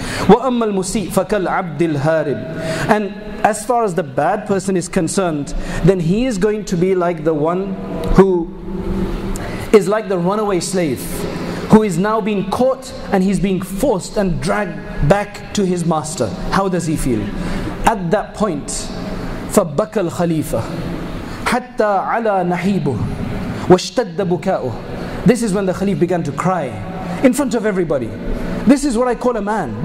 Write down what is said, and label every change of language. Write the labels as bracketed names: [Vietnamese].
[Arabic] وَأَمَّا الْمُسِيءُ فَكَالْعَبْدِ الْهَارِبِ. [English] And as far as the bad person is concerned, then he is going to be like the one who is like the runaway slave, who is now being caught and he's being forced and dragged back to his master. How does he feel? At that point, [Arabic] فَبَكَى الْخَلِيفَ حَتَّى عَلَى نَحِيبُهُ وَاشْتَدَّ بُكَاؤُهُ. [English] This is when the Khalif began to cry in front of everybody. This is what I call a man.